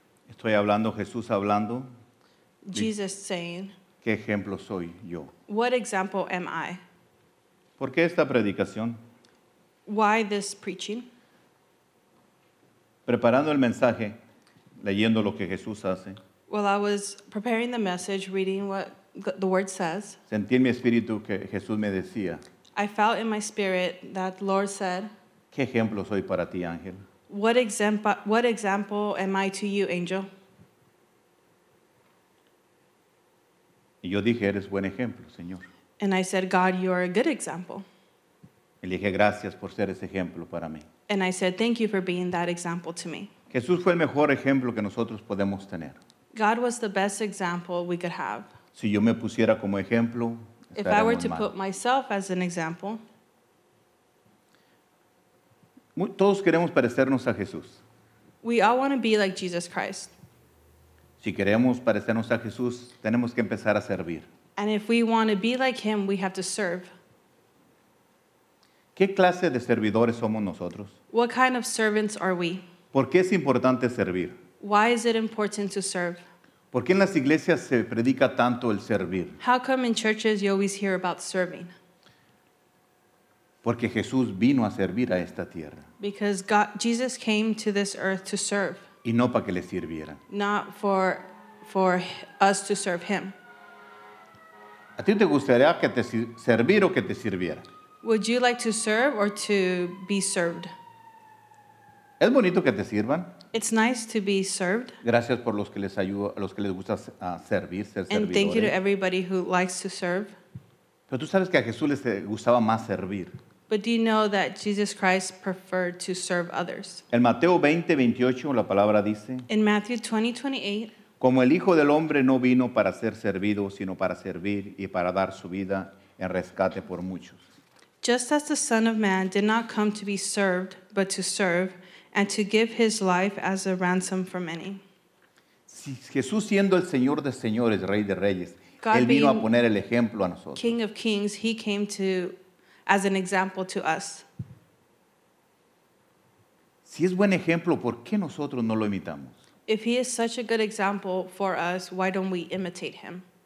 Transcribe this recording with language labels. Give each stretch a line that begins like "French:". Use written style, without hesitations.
Spanish: Estoy hablando, Jesús hablando.
English: Jesus saying.
Spanish: ¿Qué ejemplo soy yo?
English: What example am I?
Spanish: ¿Por qué esta predicación?
English: Why this preaching?
Spanish: Preparando el mensaje, leyendo lo que Jesús hace.
English: While I was preparing the message, reading what the word says.
Spanish: Sentí en mi espíritu que Jesús me decía.
English: I felt in my spirit that the Lord said.
Spanish: ¿Qué ejemplo soy para ti, Ángel?
English: What example am I to you, Angel?
Spanish: Y yo dije, eres buen ejemplo, Señor.
English: And I said, God, you are a good example.
Spanish: Y dije, gracias por ser ese ejemplo para mí.
English: And I said, thank you for being that example to me.
Spanish: Jesús fue el mejor ejemplo que nosotros podemos tener.
English: God was the best example we could have.
Spanish: Si yo me pusiera como ejemplo,
English: if I were to put myself as an example,
Spanish: todos queremos parecernos a Jesús.
English: We all want to be like Jesus Christ.
Spanish: Si queremos parecernos a Jesús, tenemos que empezar a servir.
English: And if we want to be like him, we have to serve.
Spanish: ¿Qué clase de servidores somos nosotros?
English: What kind of servants are we?
Spanish: ¿Por qué es importante servir?
English: Why is it important to serve?
Spanish: ¿Por qué en las iglesias se predica tanto el servir?
English: How come in churches you always hear about serving?
Spanish: Porque Jesús vino a servir a esta tierra.
English: Because God, Jesus came to this earth to serve.
Spanish: Y no para que le sirvieran.
English: Not for us to serve him.
Spanish: ¿A ti te gustaría que te servir o que te sirviera?
English: Would you like to serve or to be served?
Spanish: Es bonito que te sirvan.
English: It's nice to be served.
Spanish: Gracias por los que les ayudo, los que les gusta servir, ser servidores.
English: And thank you to everybody who likes to serve.
Spanish: Pero tú sabes que a Jesús les gustaba más servir.
English: But do you know that Jesus Christ preferred to serve others?
Spanish: En Mateo 20:28 la palabra dice.
English: In Matthew 20:28.
Spanish: Como el Hijo del Hombre no vino para ser servido, sino para servir y para dar su vida en rescate por muchos.
English: Just as the Son of Man did not come to be served, but to serve, and to give his life as a ransom for many.
Spanish: Si Jesús siendo el Señor de señores, Rey de reyes, God él vino a poner el ejemplo a nosotros.
English: King of kings, he came to as an example to us.
Spanish: Si es buen ejemplo, ¿por qué nosotros no lo imitamos?
English: If he is such a good example for us, why don't we imitate him?